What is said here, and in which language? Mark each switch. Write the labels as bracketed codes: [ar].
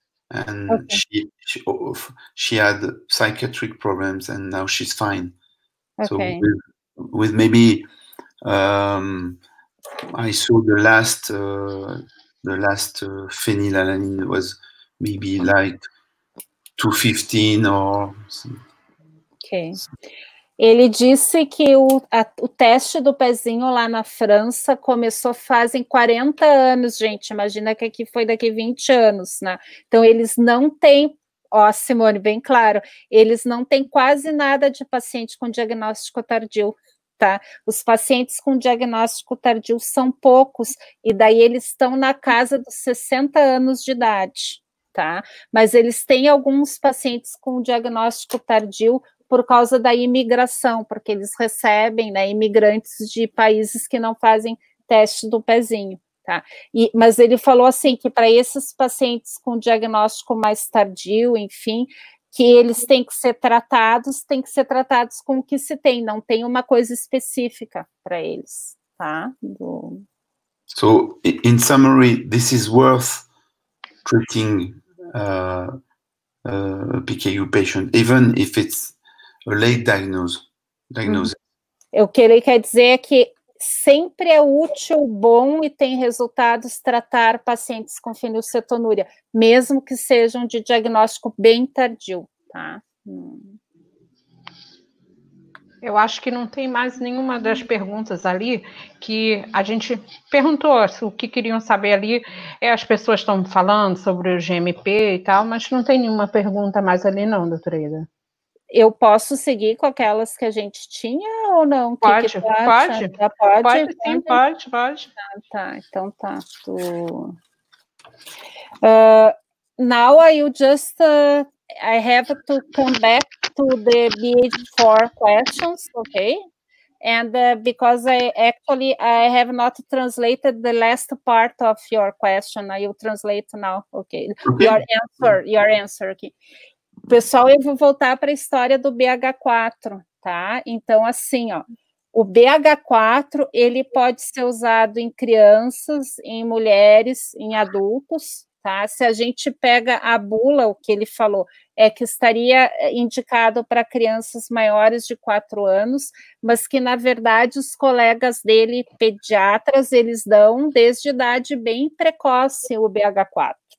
[en] And she had psychiatric problems, and now she's fine. Okay. So with maybe I saw the last phenylalanine was maybe like 215 or something. Okay. [pt] Ele disse que o teste do pezinho lá na França começou fazem 40 anos, gente. Imagina que aqui foi daqui 20 anos, né? Então, eles não têm... Ó, Simone, bem claro. Eles não têm quase nada de paciente com diagnóstico tardio, tá? Os pacientes com diagnóstico tardio são poucos. E daí, eles estão na casa dos 60 anos de idade, tá? Mas eles têm alguns pacientes com diagnóstico tardio por causa da imigração, porque eles recebem, né, imigrantes de países que não fazem teste do pezinho, tá? Mas ele falou assim, que para esses pacientes com diagnóstico mais tardio, enfim, que eles têm que ser tratados com o que se tem, não tem uma coisa específica para eles, tá? [en] So, in summary, this is worth treating PKU patient, even if it's a late diagnosis. [pt] O que ele quer dizer é que sempre é útil, bom e tem resultados tratar pacientes com fenilcetonúria, mesmo que sejam de diagnóstico bem tardio, tá? Eu acho que não tem mais nenhuma das perguntas ali que a gente perguntou o que queriam saber ali. É, as pessoas estão falando sobre o GMP e tal, mas não tem nenhuma pergunta mais ali não, doutora Ida. Eu posso seguir com aquelas que a gente tinha ou não? Pode, que pode. Pode, pode, pode, sim, né? Pode, pode. Tá, tá. Então tá. [en] Now I will just I have to come back to the BH4 questions, okay? And because I have not translated the last part of your question, I will translate now, okay? Your answer, okay? [pt] Pessoal, eu vou voltar para a história do BH4, tá? Então, assim, ó, o BH4, ele pode ser usado em crianças, em mulheres, em adultos, tá? Se a gente pega a bula, o que ele falou, é que estaria indicado para crianças maiores de 4 anos, mas que, na verdade, os colegas dele, pediatras, eles dão desde idade bem precoce o BH4.